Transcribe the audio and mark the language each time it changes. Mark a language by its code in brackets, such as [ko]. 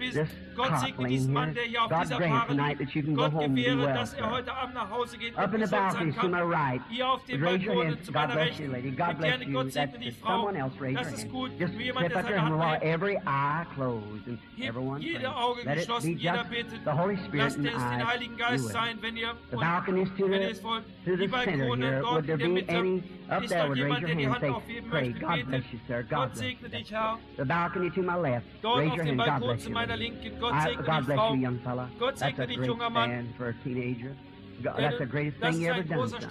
[en] this cop laying here. God grant tonight that you can go home and be well, sir. Up in the balcony to my right. Raise your hand. God bless you, lady. God bless you. That's someone else. Raise your hand. Just step up there and while every eye closed and everyone prays. Let it be just the Holy Spirit. [de] Lasst es den Heiligen Geist sein, wenn ihr [en] the balcony is to the center here. Would there be any up there? Would raise your hand and say, pray. God bless you, sir. God bless you. The balcony to my left. Raise your hand. God bless you. God bless you, young fella. That's a great man for a teenager. That's the greatest thing you ever done.